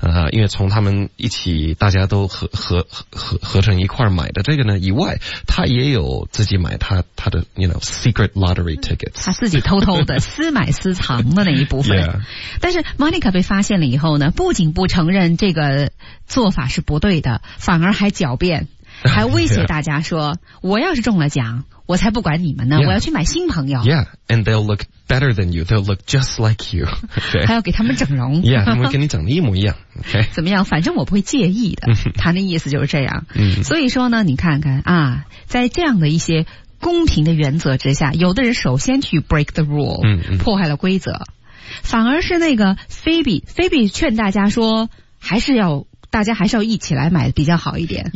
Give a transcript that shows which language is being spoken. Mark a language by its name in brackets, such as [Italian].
[Chinese] 因为从他们一起大家都合成一块买的这个呢以外，他也有自己买他的 [English] you know secret lottery tickets， [Chinese] 他自己偷偷的私买私藏的那一部分。 Yeah. 但是 Monica 被发现了以后呢，不仅不承认这个做法是不对的，反而还狡辩。还威胁大家说、 yeah. 我要是中了奖我才不管你们呢、 yeah. 我要去买新朋友 [English] Yeah, and they'll look better than you They'll look just like you、okay. [Chinese] 还要给他们整容 [English] Yeah, [Chinese] 他们跟你整的一模一样、okay. 怎么样反正我不会介意的他的意思就是这样所以说呢你看看啊，在这样的一些公平的原则之下有的人首先去 [English] break the rule [Chinese] 破坏了规则反而是那个 Phoebe 劝大家说还是要大家还是要一起来买比较好一点。